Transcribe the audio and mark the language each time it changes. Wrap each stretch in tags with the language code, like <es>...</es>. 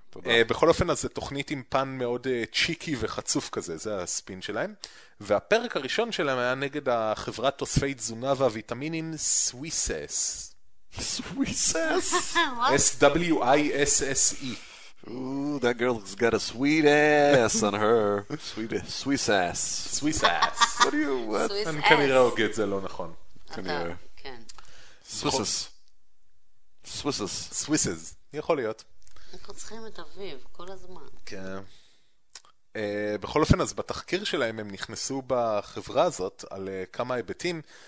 <he>בכל אופן, אז זה תוכנית עם פן מאוד צ'יקי וחצוף כזה, זה הספין שלהם. והפרק הראשון שלהם היה נגד החברת תוספי תזונה והוויטמינים סוויסס. סוויסס?</he> <en>S-W-I-S-S-E. That girl's got a sweet ass on her. Sweet ass. Sweet ass. What do you want?</en> <he>אני כנראה הוגה את זה לא נכון. כנראה. סוויסס. סוויסס. סוויסס. יכול להיות. אנחנו צריכים את אביב, כל הזמן. כן. בכל אופן, אז בתחקיר שלהם הם נכנסו בחברה הזאת על כמה היבטים,</he>